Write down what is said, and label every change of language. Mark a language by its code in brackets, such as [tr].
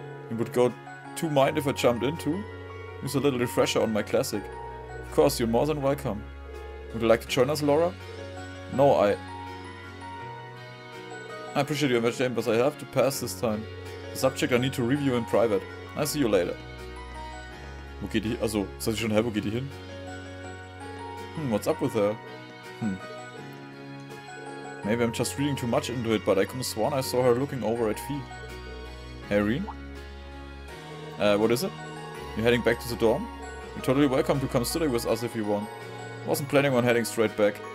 [en] you would go too mind if I jumped into? Use a little refresher on my classic. Of course, you're more than welcome. Would you like to join us, Laura? No, I appreciate your invitation, but I have to pass this time. The subject I need to review in private. I'll see you later. [de] Wo geht die, also, sag ich schon, hey, wo geht die hin? [en] Hmm, what's up with her? Hmm. Maybe I'm just reading too much into it, but I could've sworn I saw her looking over at Fee. Hey, Rean? What is it? You're heading back to the dorm? You're totally welcome to come study with us if you want. Wasn't planning on heading straight back.